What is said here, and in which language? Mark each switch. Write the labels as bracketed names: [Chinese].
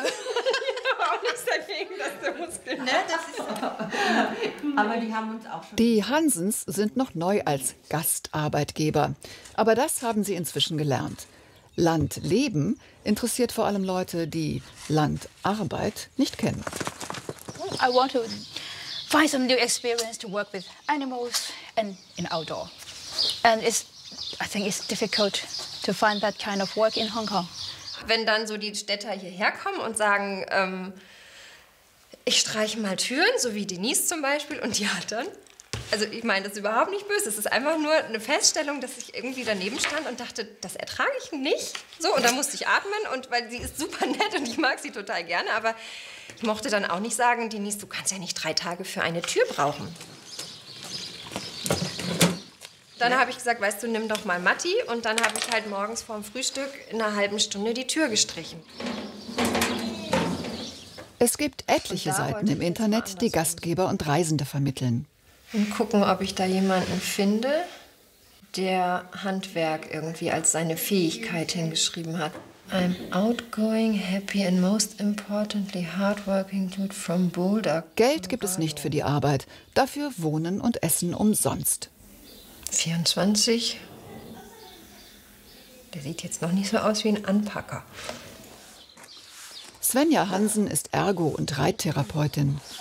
[German] Ich habe auch nichts dagegen, dass der Muskeln hat. Ne, das ist so. Aber die haben uns auch schon. Die Hansens sind noch neu als Gastarbeitgeber. Aber das haben sie inzwischen gelernt. Landleben interessiert vor allem Leute, die Landarbeit nicht kennen. [English] I want to find some new experience to work with animals and in outdoor. And it's, I think it's difficult to find that kind of work in Hong Kong. [German] Wenn dann so die Städter hierher kommen und sagen, ich streiche mal Türen, so wie Denise zum Beispiel, und die hat dann, also ich meine, das ist überhaupt nicht böse, es ist einfach nur eine Feststellung, dass ich irgendwie daneben stand und dachte, das ertrage ich nicht. So, und dann musste ich atmen, und weil sie ist super nett und ich mag sie total gerne, aber ich mochte dann auch nicht sagen, Denise, du kannst ja nicht 3 Tage für eine Tür brauchen. Dann habe ich gesagt, weißt du, nimm doch mal Matti. Und dann habe ich halt morgens vorm Frühstück in einer halben Stunde die Tür gestrichen. Es gibt etliche Seiten im Internet, die Gastgeber und Reisende vermitteln. Und gucken, ob ich da jemanden finde, der Handwerk irgendwie als seine Fähigkeit hingeschrieben hat. [English] I'm outgoing, happy and most importantly hardworking dude from Boulder. [German] Geld gibt es nicht für die Arbeit, dafür Wohnen und Essen umsonst. 24. Der sieht jetzt noch nicht so aus wie ein Anpacker. Svenja Hansen ist Ergo- und Reittherapeutin.